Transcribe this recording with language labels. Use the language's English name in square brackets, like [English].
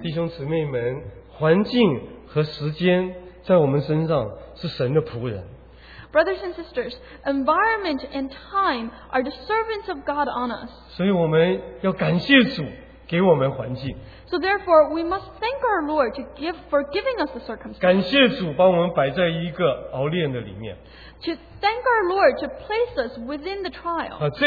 [Chinese] 弟兄姊妹们, 环境和时间在我们身上是神的仆人。 [English] Brothers and sisters, environment and time are the servants of God on us. [Chinese] 所以我们要感谢主给我们环境。 [English] So therefore, we must thank our Lord to give for giving us the circumstances. [Chinese] 感谢主把我们摆在一个熬炼的里面。 [English] To thank our Lord to place us within the trial.